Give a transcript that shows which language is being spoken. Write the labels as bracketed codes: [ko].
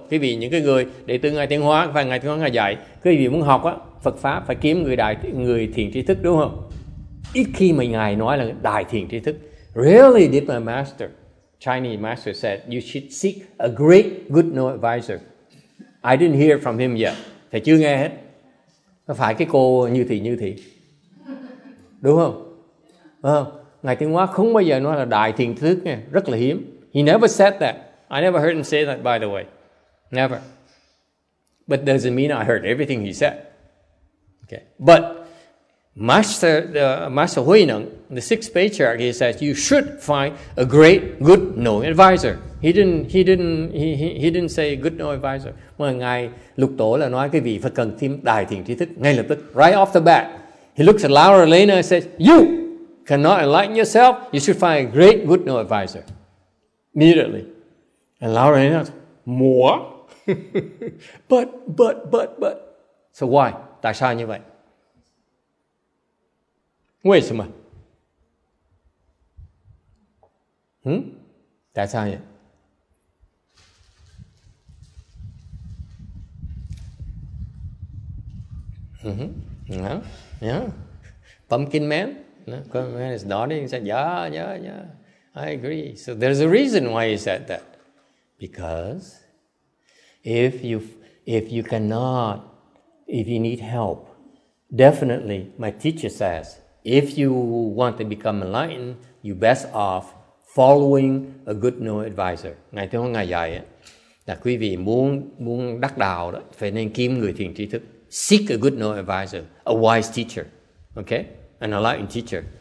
[vi] Quý vị những cái người đệ tử ngài Tiếng Hóa và ngài Tiếng Hóa ngài dạy, quý vị muốn học á Phật pháp phải kiếm người thiền tri thức đúng không? Ít khi mà ngài nói là đại thiền tri thức. [en] Really did my master? Chinese master said you should seek a great good no advisor. I didn't hear from him yet. [vi] Thầy chưa nghe hết. Có phải cái cô Như Thị Như Thị? Đúng không? Ngài Tiếng Hóa không bao giờ nói là đại thiền thức nha. Rất là hiếm. [en] He never said that. I never heard him say that, by the way. Never. But doesn't mean I heard everything he said. Okay. But Master Hui Neng, the sixth patriarch, he says you should find a great good knowing advisor. He didn't say good knowing advisor. [vi] Mà ngài lục tổ là nói cái vị phải cần thêm đại thiện tri thức ngay lập tức. [en] Right off the bat, he looks at Laura Lena and says, "You cannot enlighten yourself. You should find a great good knowing advisor." Immediately, and Laura Lena says, "Moi, but." So why? [vi] Tại sao như vậy? [en] Why? Hmm? That's how it. Yeah. Pumpkin man? Pumpkin man is nodding. He said, yeah. I agree. So there's a reason why he said that. Because if you need help, definitely my teacher says, if you want to become enlightened, you best off following a good knowing advisor. [vi] Ngài Tiếng Hóa ngài dạy ấy, là quý vị muốn đắc đạo đó phải nên kiếm người thiền tri thức. [en] Seek a good knowing advisor, a wise teacher, okay, an enlightened teacher.